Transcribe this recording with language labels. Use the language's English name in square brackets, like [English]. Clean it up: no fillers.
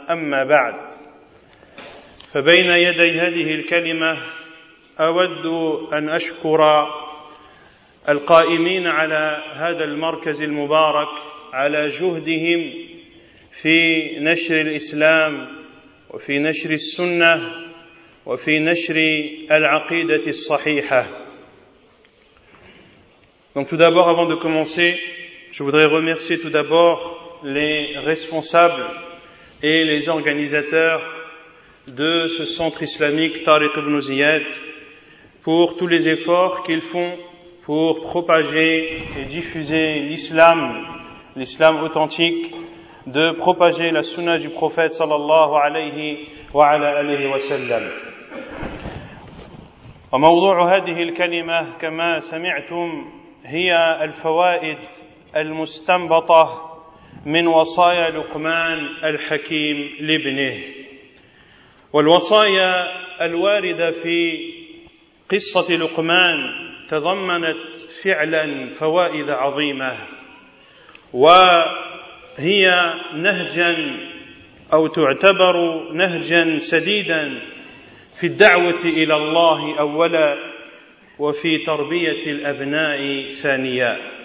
[Arabic] أما بعد، فبين يدي هذه الكلمة أود أن أشكر القائمين على هذا المركز المبارك على جهدهم في نشر الإسلام وفي نشر السنة وفي نشر العقيدة الصحيحة. [French] Donc tout d'abord, avant de commencer, je voudrais remercier tout d'abord les responsables et les organisateurs de ce centre islamique Tariq ibn Ziyad pour tous les efforts qu'ils font pour propager et diffuser l'islam, l'islam authentique, de propager la sunna du prophète sallallahu alayhi wa ala alayhi wa sallam. [Arabic] وموضوع هذه الكلمة كما سمعتم هي الفوائد المستنبطة من وصايا لقمان الحكيم لابنه. والوصايا الواردة في قصة لقمان تضمنت فعلا فوائد عظيمة، وهي نهجا أو تعتبر نهجا سديدا في الدعوة إلى الله أولا وفي تربية الأبناء ثانيا.